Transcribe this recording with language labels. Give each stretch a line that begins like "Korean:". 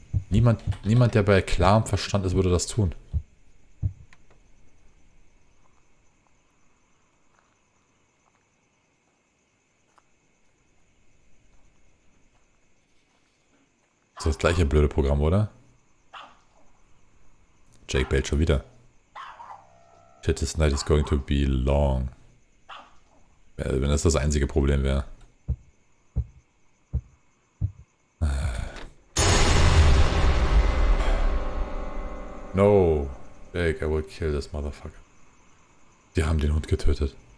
German: Niemand, der bei klarem Verstand ist, würde das tun. Das gleiche blöde Programm, oder? Jake bellt schon wieder.
English: Shit, this night is going to be long.
German: Wenn das einzige Problem wäre.
English: No, Jake, I will kill this motherfucker.
German: Die haben den Hund getötet.